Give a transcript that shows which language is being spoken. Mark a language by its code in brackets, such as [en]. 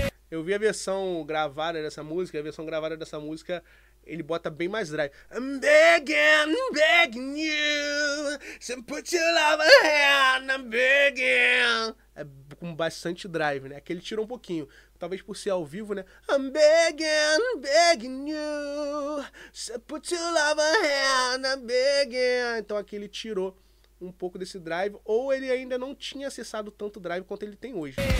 [pt] Eu vi a versão gravada dessa música, ele bota bem mais drive. [en] I'm begging, begging you, so put your love in hand, I'm begging. [pt] É com bastante drive, né? Aqui ele tirou um pouquinho. Talvez por ser ao vivo, né? [en] I'm begging, begging you, so put your love in hand, I'm begging. [pt] Então aqui ele tirou um pouco desse drive, ou ele ainda não tinha acessado tanto drive quanto ele tem hoje.